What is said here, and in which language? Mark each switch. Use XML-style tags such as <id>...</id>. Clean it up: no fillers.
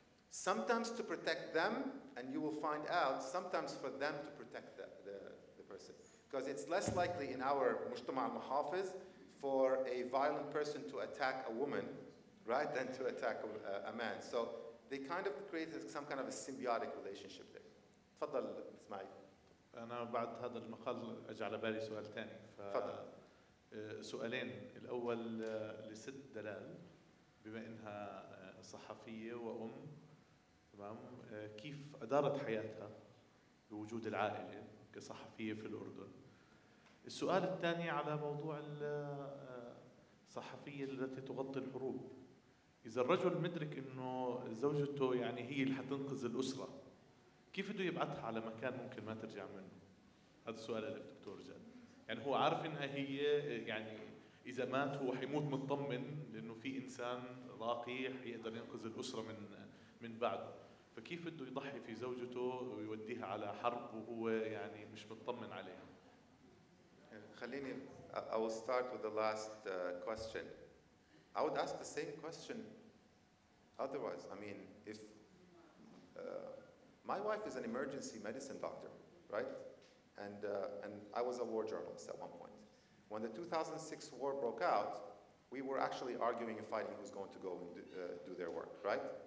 <en>Sometimes to protect them, and you will find out, sometimes for them to protect the person. Because it's less likely in our mujtama al-muhafiz for a violent person to attack a woman, right, than to attack a man. So they kind of create some kind of a symbiotic relationship there.</en> <ar>تفضل اسماعيل. أنا بعد هذا المقال أجى على بالي سؤال ثاني. تفضل. سؤالين، الأول لست دلال بما إنها صحفية وأم، تمام، كيف أدارت حياتها بوجود العائلة كصحفية في الأردن؟ السؤال الثاني على موضوع الصحفية التي تغطي الحروب. إذا الرجل مدرك إنه زوجته يعني هي اللي حتنقذ الأسرة، كيف بده يبعثها على مكان ممكن ما ترجع منه؟ هذا السؤال للدكتور جاد. يعني هو عارف إنها هي يعني إذا مات هو حيموت مطمن لأنه في إنسان راقي حيقدر ينقذ الأسرة من بعده. فكيف بده يضحي في زوجته ويوديها على حرب وهو يعني مش مطمن عليها؟</ar> <en>خليني I will start with the last question. I would ask the same question otherwise. I mean, if my wife is an emergency medicine doctor, right? And I was a war journalist at one point. When the 2006 war broke out, we were actually arguing and fighting who's going to go and do their work, right?</en>